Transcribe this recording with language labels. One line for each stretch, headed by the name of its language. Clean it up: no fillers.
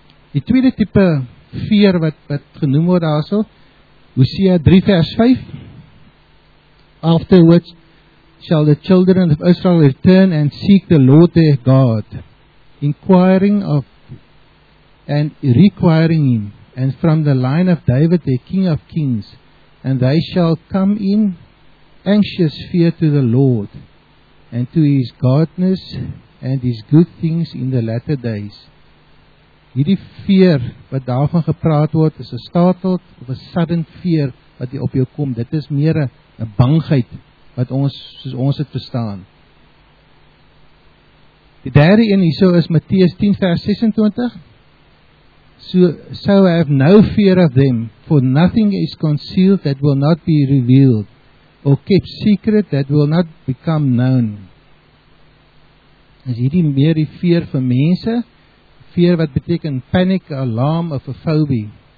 Afrikaans: Die tweede type fear wat genoem word daarso,
English: Hosea 3 vers 5, after which shall the children of Israel return and seek the Lord their God, inquiring of and requiring him, and from the line of David the King of Kings, and they shall come in anxious fear to the Lord, and to his godness, and his good things in the latter days.
Afrikaans: Hierdie fear wat daarvan gepraat word, is 'n startled of 'n sudden fear wat op jou kom. Dit is meer 'n bangheid wat ons, soos ons het verstaan. Die derde een hierso is Matteus 10 vers 26.
English: So I have no fear of them, for nothing is concealed that will not be revealed, or kept secret that will not become known.
Afrikaans: Is hierdie meer die fear vir mense? Fear wat beteken panic, alarm of a phobia.